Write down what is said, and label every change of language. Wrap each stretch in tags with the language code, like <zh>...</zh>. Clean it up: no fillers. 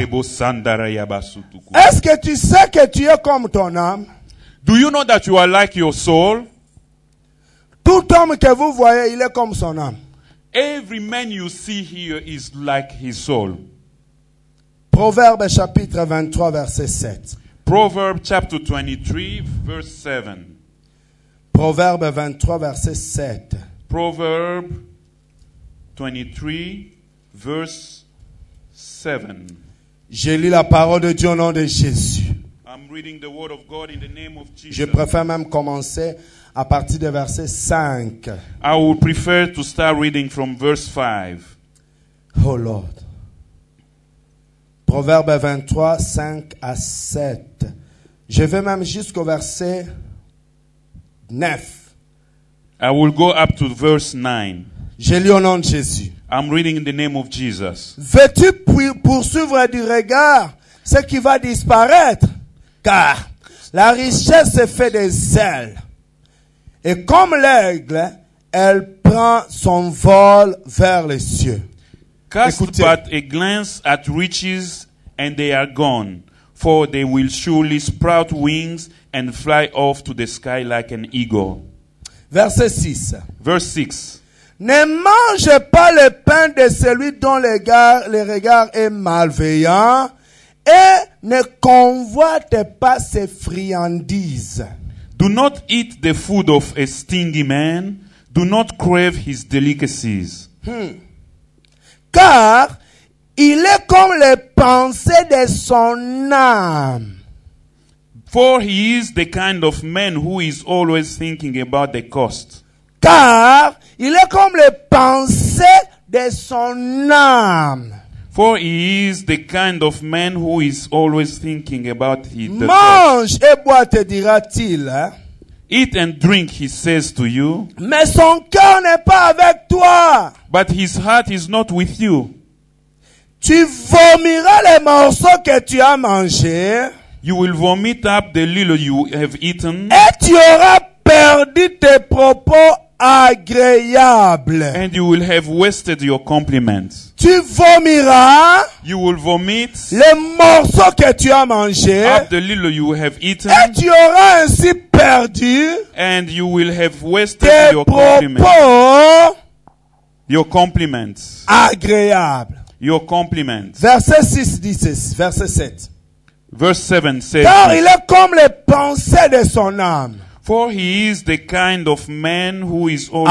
<fr>Est-ce que tu sais que tu es comme ton âme?</fr> <en>Do you know that you are like your soul?</en> <fr>Tout homme que vous voyez, il est comme son âme.</fr> <en>Every man you see here is like his soul.</en> <fr>Proverbe chapitre 23 verset 7.</fr> <en>Proverbs chapter 23, verse 7.</en> <fr>Proverbe 23, verset 7.</fr> <en>Proverbs 23, verse 7.</en> <fr>Je lis la parole de Dieu au nom de Jésus.</fr> <en>I'm reading the word of God in the name of Jesus.</en> <fr>Je préfère même commencer à partir de verset 5.</fr> <en>I would prefer to start reading from verse 5. Oh Lord.</en> <fr>Proverbe 23, 5 à 7. Je vais même jusqu'au verset 9.</fr> <en>I will go up to verse 9.</en> <fr>Je lis au nom de Jésus.</fr> <en>I'm reading in the name of Jesus.</en> <fr>Veux-tu poursuivre du regard ce qui va disparaître? Car la richesse est faite de zèle. Et comme l'aigle, elle prend son vol vers les cieux.</fr> <en>Cast écoutez, but a glance at riches and they are gone, for they will surely sprout wings and fly off to the sky like an eagle.</en> <fr>Verset 6. Ne mange pas le pain de celui dont le regard est malveillant et ne convoite pas ses friandises.</fr> <en>Do not eat the food of a stingy man. Do not crave his delicacies.</en> <fr>Car il est comme les pensées de son âme.</fr> <en>For he is the kind of man who is always thinking about the cost.</en> <fr>Car il est comme les pensées de son âme.</fr> <en>For he is the kind of man who is always thinking about it.</en> <fr>Mange et bois, te dira-t-il.</fr> <en>Eat and drink, he says to you.</en> <fr>Mais son cœur n'est pas avec toi.</fr> <en>But his heart is not with you.</en> <fr>Tu vomiras les morceaux que tu as mangés.</fr> <en>You will vomit up the little you have eaten.</en> <fr>Et tu auras perdu tes propos agréables.</fr> <en>And you will have wasted your compliments.</en> <fr>Tu vomiras.</fr> <en>You will vomit.</en> <fr>Les morceaux que tu as mangés.</fr> <en>Up the little you have eaten.</en> <fr>Et tu auras ainsi perdu.</fr> <en>And you will have wasted</en> <fr>tes</fr> <en>your</en> <fr>propos.</fr> <en>Compliments. Your compliments.</en> <fr>Agréables.</fr> <en>Your compliments.</en> <fr>Verset 7.</fr> <en>Verse 7 says.</en> <fr>Car il est comme les pensées de son âme.</fr> <en>For he is the kind of man who is always.</en>